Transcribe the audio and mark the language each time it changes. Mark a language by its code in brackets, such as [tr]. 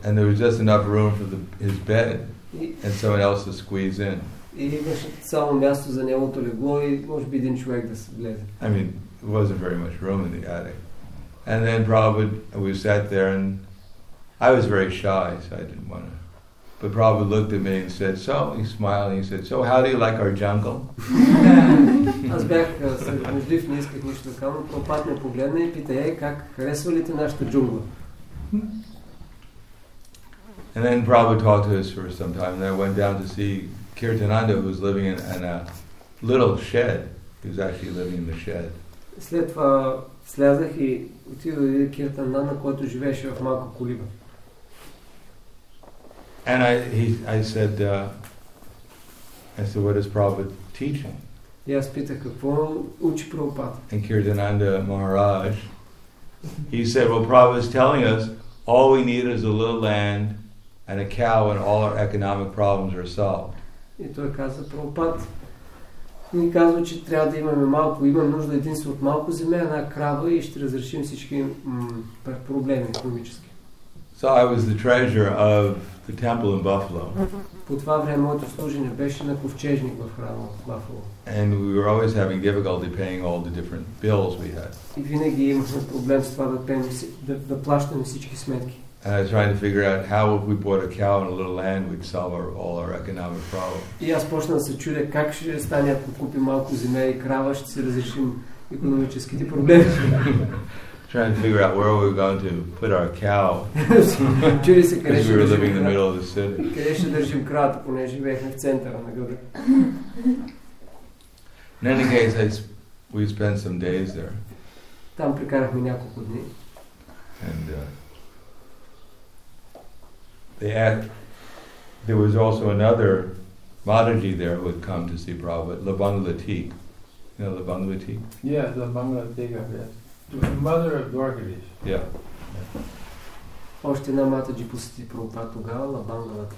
[en] And there was just enough room for his bed and someone else to squeeze in. [bg] И имаше само място за неговото легло и може би един човек да се влезе. [en] I mean, it wasn't very much room in the attic. And then Prabhupada, we sat there and I was very shy, so I didn't want to. But Prabhupada looked at me and said, so, he smiled and he said, so how do you like our jungle? [bg] Аз бях съмежлив, не исках нищо да кажа, но Прабхупада ме погледна и пита, как харесва ли те нашата джунгла? [en] And then Prabhupada talked to us for some time and I went down to see Kirtananda, who was living in a little shed. He was actually living in the shed. [bg] След това слязах и отидох до Киртананда, който живееше в малка колиба. [en] And I said, what is Prabhupada teaching? [bg] И аз питах, какво учи Прабхупада? [en] And Kirtananda Maharaj, he said, well, Prabhupada is telling us, all we need is a little land and a cow and all our economic problems are solved. [bg] И той каза, Прабхупад ни казва, че трябва да имаме малко, имаме нужда единствено от малко земя, една крава и ще разрешим всички проблеми економически. [en] So I was the treasure of the temple in Buffalo. [bg] По това време моето служение беше на ковчежник в храма в Buffalo. [en] And we were always having difficulty paying all the different bills we had. [bg] И винаги имахме проблем с това да плащаме всички сметки. [en] And I was trying to figure out how if we bought a cow and a little land we'd solve all our economic problems. [bg] И аз почнах да се чудя как ще стане, ако купим малко земя и крава, ще се разрешим икономическите проблеми. [en] Trying to figure out where we were going to put our cow. [bg] Чуди се къде ще държим [en] in the middle of the city. [bg] Къде ще държим крата, понеже живеехме в центъра на града. [en] In any case, we spent some days there. [bg] Там прекарахме няколко дни. [en] And there was also another Mataji there who had come to see Prabhupada, Labangalatik. You know Labangalatik? Yeah, Labangalatik, yes. The mother of Dwarkadish. Yeah. [bg] Още една Mataji посети Прабхупада тогава, Labangalatik.